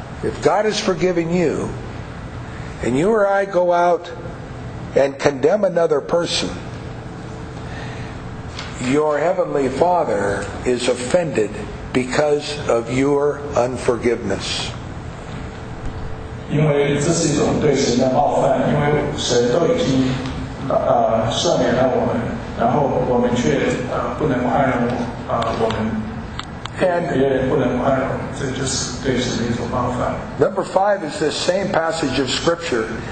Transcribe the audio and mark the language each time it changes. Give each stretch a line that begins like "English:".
English: If God has forgiven you, and you or I go out and condemn another person, your heavenly Father is offended because of your unforgiveness.
Chinese: 因为这是一种对神的冒犯，因为神都已经赦免了我们，然后我们却不能宽容我们
English: And number five is this same passage of scripture.